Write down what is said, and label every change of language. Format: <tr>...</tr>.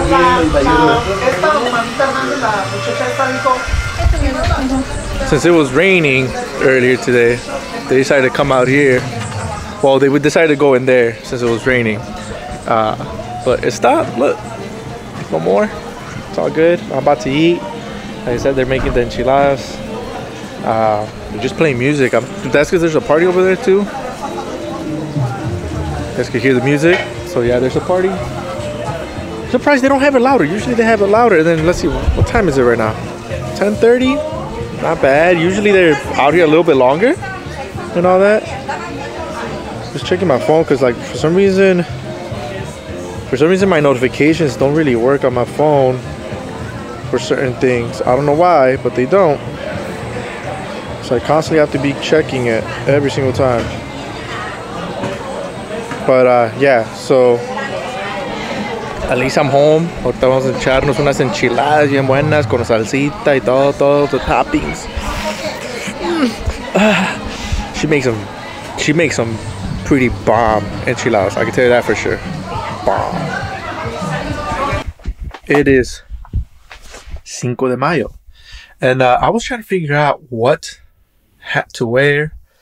<es>Esta mamita manda la muchacha esta dijo.</es> <en>Since it was raining earlier today, they decided to come out here. Well, they would decide to go in there since it was raining. But it stopped. Look. No more. It's all good. I'm about to eat. Like I said, they're making the enchiladas. They're just playing music. That's because there's a party over there too. You guys can hear the music. So yeah, there's a party. Surprised they don't have it louder. Usually they have it louder. And then let's see, what time is it right now? 10:30? Not bad. Usually they're out here a little bit longer and all that. Just checking my phone because like for some reason my notifications don't really work on my phone for certain things. I don't know why, but they don't. So I constantly have to be checking it every single time. But yeah, so at least I'm home.</en> <es>Ahorita vamos a echarnos unas enchiladas bien buenas con salsita y todo</es> <en>the toppings. She makes some pretty bomb enchiladas. I can tell you that for sure. Bomb. It is Cinco de Mayo. And I was trying to figure out what hat to wear.</en>